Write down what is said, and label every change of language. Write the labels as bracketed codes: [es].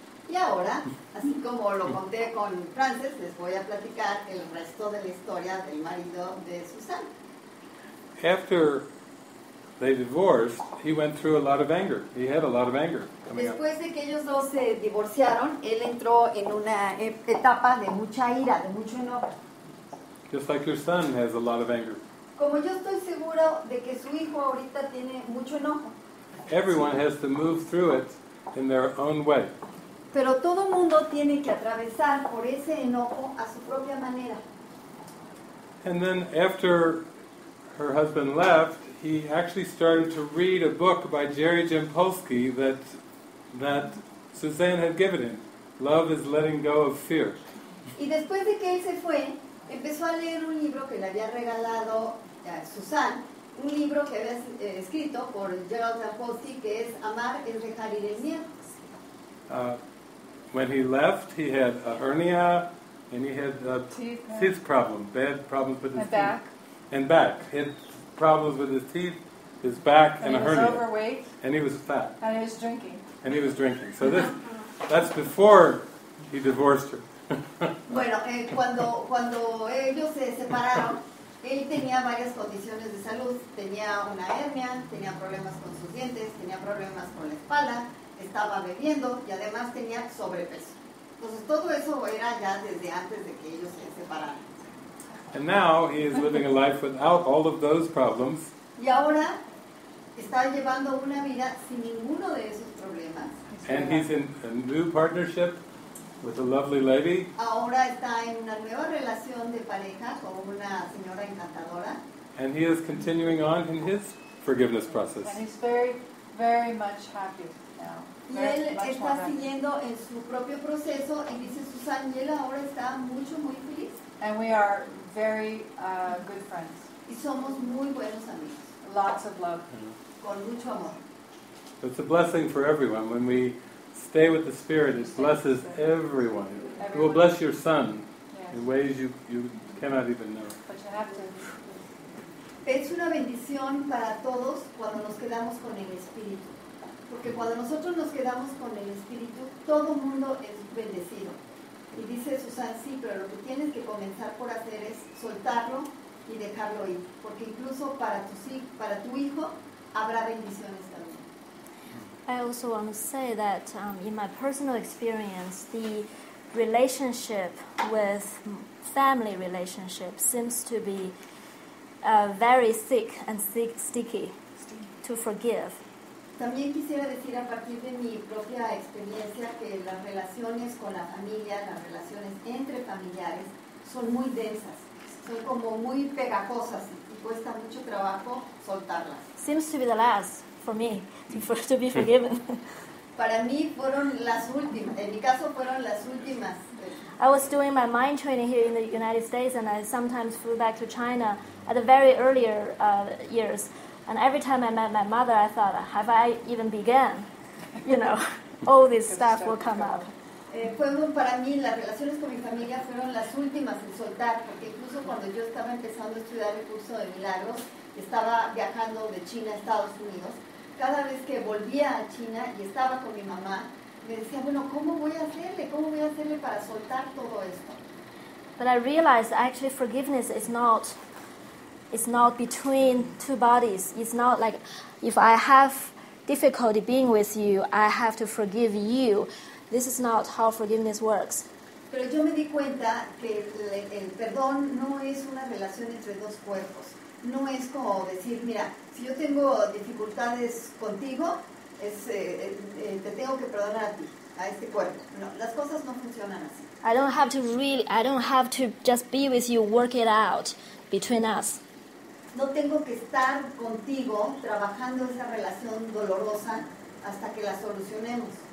[es] Y ahora, así como lo conté con Frances, les voy a platicar el resto de la historia del marido de Susan. [en] After they divorced, he went through a lot of anger. He had a lot of anger coming [es] Después de que ellos dos se divorciaron, él entró en una etapa de mucha ira, de mucho enojo. [en] Just like your son has a lot of anger. [es] Como yo estoy seguro de que su hijo ahorita tiene mucho enojo. [en] Everyone has to move through it in their own way. [es] Pero todo mundo tiene que atravesar por ese enojo a su propia manera. [en] And then after her husband left, he actually started to read a book by Jerry Jampolsky that Suzanne had given him, Love is Letting Go of Fear. [es] Y después de que él se fue, empezó a leer un libro que le había regalado a Susanne, un libro que había escrito por Gerald Jampolsky, que es Amar es Dejar Ir el Miedo. [en] When he left, he had a hernia, and he had a teeth problem, bad problems with his and teeth. Back. And back. He had problems with his teeth, his back, and a hernia. And he was overweight. And he was fat. And he was drinking. And he was drinking. So that's before he divorced her. [es] Bueno, cuando ellos se separaron, él tenía varias condiciones de salud. Tenía una hernia, tenía problemas con sus dientes, tenía problemas con la espalda. Estaba bebiendo y además tenía sobrepeso. Entonces todo eso era ya desde antes de que ellos se separaran. [en] And now he is living a life without all of those problems. [es] Y ahora está llevando una vida sin ninguno de esos problemas. [en] And he's in a new partnership with a lovely lady. [es] Ahora está en una nueva relación de pareja con una señora encantadora. [en] And he is continuing on in his forgiveness process. And he's very very much happy now. [es] Y él está siguiendo en su propio proceso, y dice Susan, y él ahora está mucho, muy feliz. [en] And we are very good friends. [es] Y somos muy buenos amigos. [en] Lots of love. [es] Con mucho amor. [en] It's a blessing for everyone. When we stay with the Spirit, it blesses everyone. It will bless your son in ways you cannot even know. [es] Es una bendición para todos cuando nos quedamos con el Espíritu. Porque cuando nosotros nos quedamos con el Espíritu, todo mundo es bendecido. Y dice Susan, sí, pero lo que tienes que comenzar por hacer es soltarlo y dejarlo ir. Porque incluso para tu hijo habrá bendiciones también. [en] I also want to say that in my personal experience, the relationship with family relationship seems to be very thick and sticky to forgive. [es] También quisiera decir a partir de mi propia experiencia que las relaciones con la familia, las relaciones entre familiares son muy densas, son como muy pegajosas y cuesta mucho trabajo soltarlas. [en] Seems to be the last. For me, to be forgiven. [es] Para mí fueron las últimas. En mi caso fueron las últimas. [en] I was doing my mind training here in the United States, and I sometimes flew back to China at the very earlier years. And every time I met my mother, I thought, have I even begun? You know, all this stuff will come up. [es] Para mí las relaciones con mi familia fueron las últimas en soltar, porque incluso cuando yo estaba empezando a estudiar el curso de milagros. Estaba viajando de China a Estados Unidos. Cada vez que volvía a China y estaba con mi mamá, me decía, bueno, ¿cómo voy a hacerle? ¿Cómo voy a hacerle para soltar todo esto? [en] But I realized actually forgiveness is not, it's not between two bodies. It's not like if I have difficulty being with you, I have to forgive you. This is not how forgiveness works. [es] Pero yo me di cuenta que el perdón no es una relación entre dos cuerpos. No es como decir, mira, si yo tengo dificultades contigo, te tengo que perdonar a ti, a este cuerpo. No, las cosas no funcionan así. [en] I don't have to just be with you, work it out between us. [es] No tengo que estar contigo trabajando esa relación dolorosa hasta que la solucionemos.